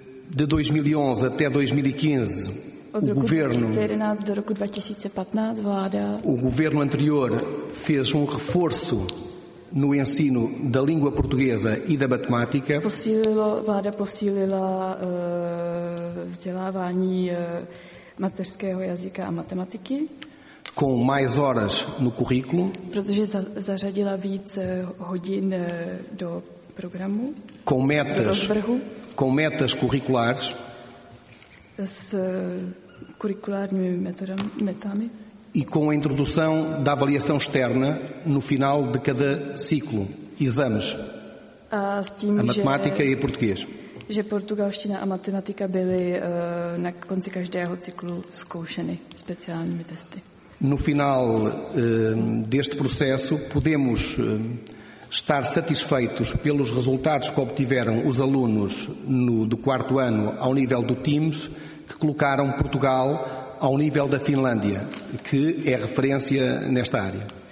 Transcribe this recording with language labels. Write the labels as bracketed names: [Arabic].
[Portuguese] De 2011 até 2015, o governo anterior fez um reforço no ensino da língua portuguesa e da matemática. [Czech] Vláda posílila vzdělávání mateřského jazyka a matematiky. [Portuguese] Com mais horas no currículo. [Czech] Protože zařadila víc hodin do programu. [Portuguese] Com metas curriculares. [Czech] S curricularními metami. [Portuguese] E com a introdução da avaliação externa no final de cada ciclo. Exames. [Czech] A s tím, [Portuguese] a matemática e português. [Czech] Že portugalština a matematika byly na konci každého cyklu zkoušeny speciálními testy. [Portuguese] No final deste processo, podemos estar satisfeitos pelos resultados que obtiveram os alunos do quarto ano ao nível do TIMSS, que colocaram Portugal ao nível da Finlândia, que é referência nesta área.